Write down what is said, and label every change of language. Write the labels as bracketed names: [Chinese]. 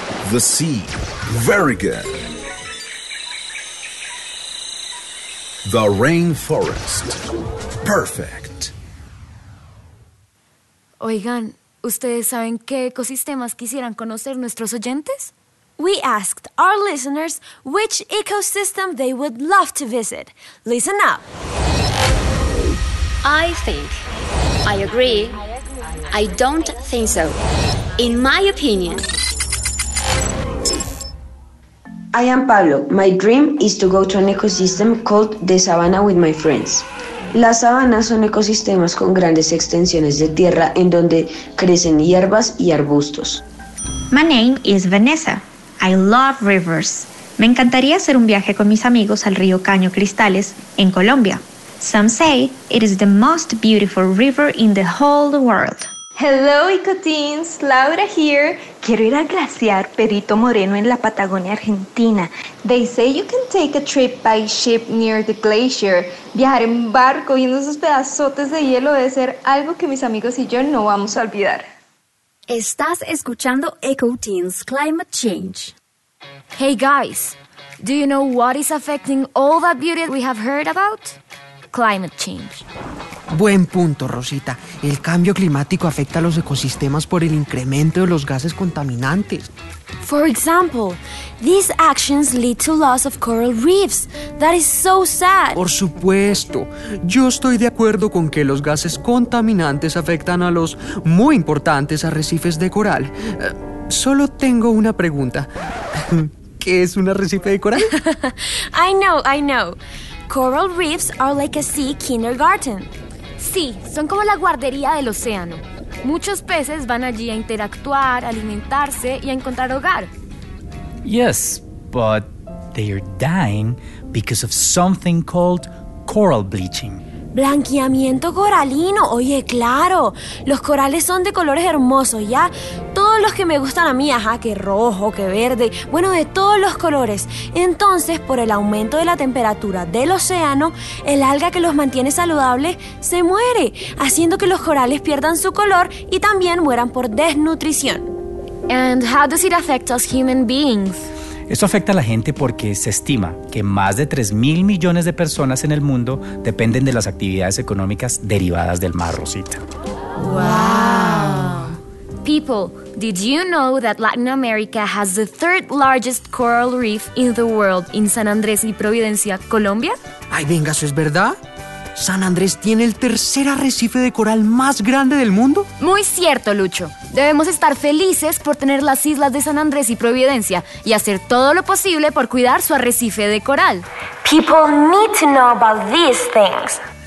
[English] The sea. Very good. The rainforest. Perfect. [Spanish] Oigan, ¿ustedes saben qué ecosistemas quisieran conocer nuestros oyentes? [English] We asked our listeners which ecosystem they would love to visit. Listen up. I think. I agree. I don't think so. In my opinion. I am Pablo. My dream is to go to an ecosystem called the savanna with my friends. [Spanish] Las sabanas son ecosistemas con grandes extensiones de tierra en donde crecen hierbas y arbustos. [English] My name is Vanessa. I love rivers. [Spanish] Me encantaría hacer un viaje con mis amigos al río Caño Cristales en Colombia. [English] Some say it is the most beautiful river in the whole world. Hello, Ecoteens. Laura here. [Spanish] Quiero ir al glaciar Perito Moreno en la Patagonia Argentina. [English] They say you can take a trip by ship near the glacier. [Spanish] Viajar en barco viendo esos pedazotes de hielo debe ser algo que mis amigos y yo no vamos a olvidar. Estás escuchando Ecoteens Climate Change. [English] Hey, guys. Do you know what is affecting all that beauty we have heard about? Climate change. [Spanish] Buen punto, Rosita. El cambio climático afecta a los ecosistemas por el incremento de los gases contaminantes. [English] For example, these actions lead to loss of coral reefs. That is so sad. [Spanish] Por supuesto. Yo estoy de acuerdo con que los gases contaminantes afectan a los muy importantes arrecifes de coral. Solo tengo una pregunta. ¿Qué es un arrecife de coral? [English] I know. Coral reefs are like a sea kindergarten. [Spanish] Sí, son como la guardería del océano. Muchos peces van allí a interactuar, alimentarse y a encontrar hogar. [English] Yes, but they are dying because of something called coral bleaching. [Spanish] Blanqueamiento coralino, oye, claro. Los corales son de colores hermosos, ¿ya? Todos los que me gustan a mí, ajá, que rojo, que verde, bueno, de todos los colores. Entonces, por el aumento de la temperatura del océano, el alga que los mantiene saludables se muere, haciendo que los corales pierdan su color y también mueran por desnutrición. [English] And how does it affect us human beings? [Spanish] Esto afecta a la gente porque se estima que más de 3.000 millones de personas en el mundo dependen de las actividades económicas derivadas del mar, Rosita. ¡Wow! [English] People, did you know that Latin America has the third largest coral reef in the world in San Andrés y Providencia, Colombia? [Spanish] ¡Ay, venga, eso es verdad! ¿San Andrés tiene el tercer arrecife de coral más grande del mundo? Muy cierto, Lucho. Debemos estar felices por tener las islas de San Andrés y Providencia y hacer todo lo posible por cuidar su arrecife de coral. [English] People need to know about these things.